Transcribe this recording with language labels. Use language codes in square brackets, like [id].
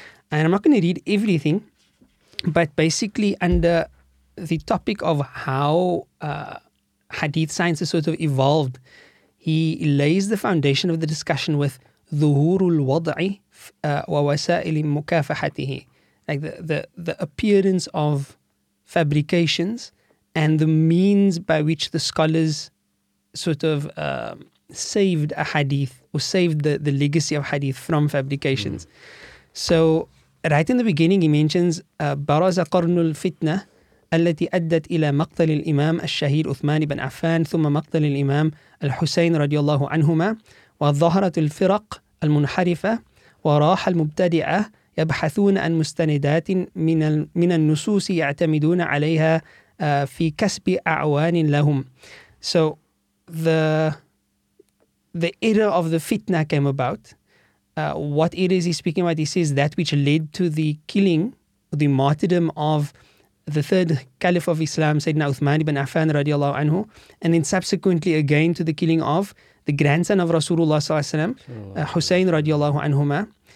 [en] And I'm not going to read everything, but basically under the topic of how hadith science has sort of evolved, he lays the foundation of the discussion with [ar] dhuhurul wad'i wa wasa'il mukafahatihi, [en] like the appearance of fabrications and the means by which the scholars sort of saved a hadith, or saved the legacy of hadith from fabrications. So right in the beginning, he mentions [ar] baraza qarnul fitna التي أدت إلى مقتل الإمام الشهير عثمان بن عفان ثم مقتل الإمام الحسين رضي الله عنهما وظهرت الفرق المنحرفة وراح المبتدعة يبحثون عن مستندات من النصوص يعتمدون عليها في كسب أعوان لهم. [en] So the era of the fitna came about. What era is he speaking about? He says that which led to the killing, the martyrdom of the third caliph of Islam, Sayyidina Uthman ibn Affan radiallahu anhu, and then subsequently again to the killing of the grandson of Rasulullah sallallahu alayhi wa sallam, Hussein radiallahu anhuma.